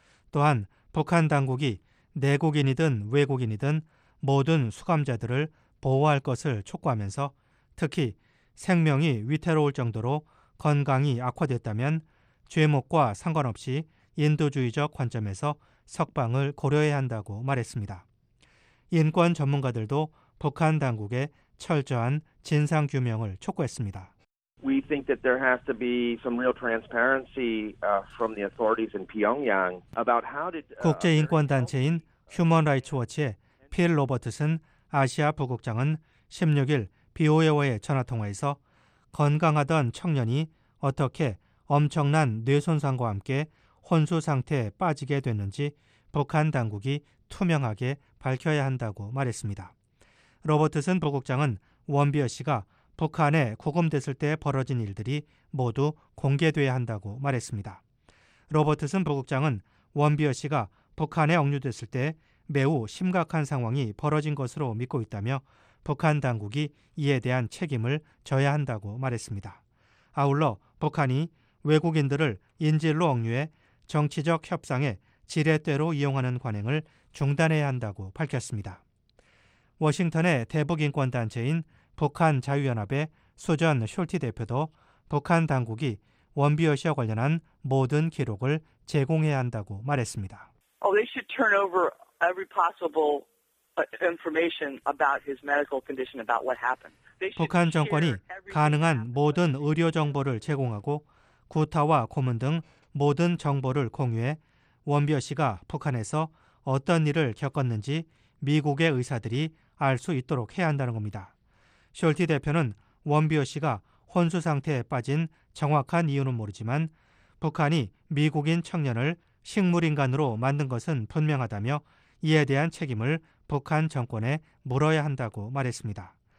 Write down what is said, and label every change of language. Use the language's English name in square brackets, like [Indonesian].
[Korean] 또한 북한 당국이 내국인이든 외국인이든 모든 수감자들을 보호할 것을 촉구하면서 특히 생명이 위태로울 정도로 건강이 악화됐다면 죄목과 상관없이 인도주의적 관점에서 석방을 고려해야 한다고 말했습니다. 인권 전문가들도 북한 당국에 철저한 진상 규명을 촉구했습니다. [English] We think that there has to be some real transparency from the authorities in Pyongyang about how did [Korean] 국제 인권 단체인 휴먼 라이츠 워치의 필 로버트슨 아시아 부국장은 16일 BOA와의 전화 통화에서 건강하던 청년이 어떻게 엄청난 뇌 손상과 함께 혼수 상태에 빠지게 됐는지 북한 당국이 투명하게 밝혀야 한다고 말했습니다. 로버트슨 부국장은 원비어 씨가 북한에 구금됐을 때 벌어진 일들이 모두 공개돼야 한다고 말했습니다. 로버트슨 부국장은 원비어 씨가 북한에 억류됐을 때 매우 심각한 상황이 벌어진 것으로 믿고 있다며 북한 당국이 이에 대한 책임을 져야 한다고 말했습니다. 아울러 북한이 외국인들을 인질로 억류해 정치적 협상에 지렛대로 이용하는 관행을 중단해야 한다고 밝혔습니다. 워싱턴의 대북인권단체인 북한자유연합의 수전 숄티 대표도 북한 당국이 원비어 씨와 관련한 모든 기록을 제공해야 한다고 말했습니다. [English] Oh, they should turn over every possible information about his medical condition, about what happened. [Korean] 북한 정권이 가능한 모든 의료 정보를 제공하고 구타와 고문 등 모든 정보를 공유해 원비어 씨가 북한에서 어떤 일을 겪었는지 미국의 의사들이 알 수 있도록 해야 한다는 겁니다. 숄티 대표는 원비어 씨가 혼수 상태에 빠진 정확한 이유는 모르지만 북한이 미국인 청년을 식물인간으로 만든 것은 분명하다며 이에 대한 책임을 북한 정권에 물어야 한다고 말했습니다.